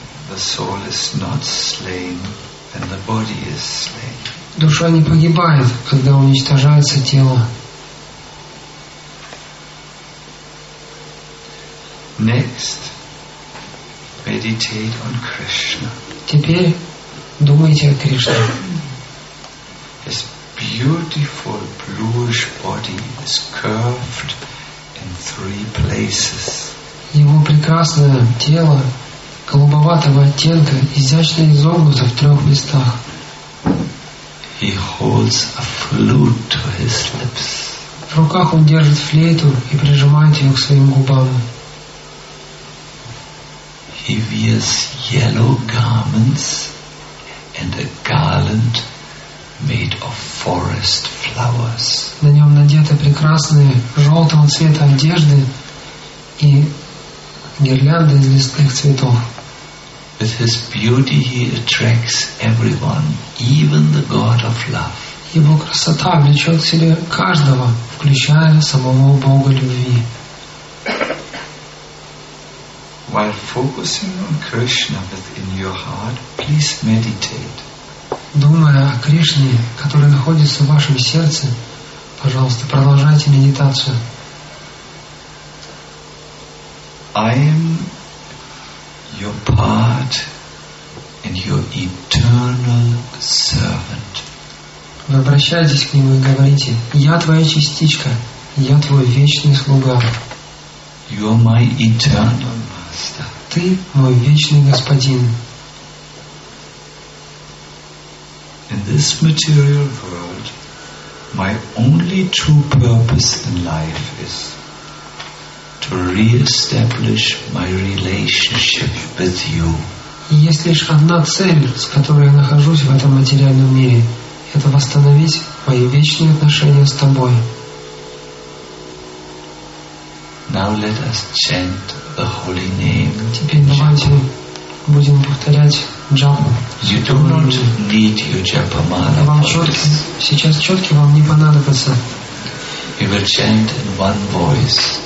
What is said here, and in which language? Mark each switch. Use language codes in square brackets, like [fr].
[en] The soul is not slain, and the body is slain. [ru] Душа не погибает, когда уничтожается тело. [en] Next, meditate on Krishna. [ru] Теперь думайте о Кришне. [en] His beautiful bluish body is curved in three places. [ru] Его прекрасное тело голубоватого оттенка изящно изогнуто в трех местах. [en] He holds a flute to his lips. [ru] В руках он держит флейту и прижимает ее к своим губам. [en] He wears yellow garments and a garland made of forest flowers. [ru] На нем надеты прекрасные желтого цвета одежды и гирлянды из лесных цветов. [en] With his beauty he attracts everyone, even the God of love. [ru] Его красота влечет к себе каждого, включая самого Бога любви. [en] While focusing on Krishna within your heart, please meditate. [ru] Думая о Кришне, который находится в вашем сердце, пожалуйста, продолжайте медитацию. [en] I am your part and your eternal servant. [ru] Вы обращаетесь к нему и говорите: я твоя частичка, я твой вечный слуга. [en] You are my eternal master. [ru] Ты мой вечный господин. [en] In this material world, my only true purpose in life is to re-establish my relationship with you. [ru] Есть лишь одна цель, с которой я нахожусь в этом материальном мире. Это восстановить мои вечные отношения с тобой. [en] Now let us chant the holy name. [ru] Теперь давайте будем повторять джапу. [en] You do not need your japa mala. [ru] Вам четкий, сейчас четкий вам не понадобится. [en] We will chant in one voice.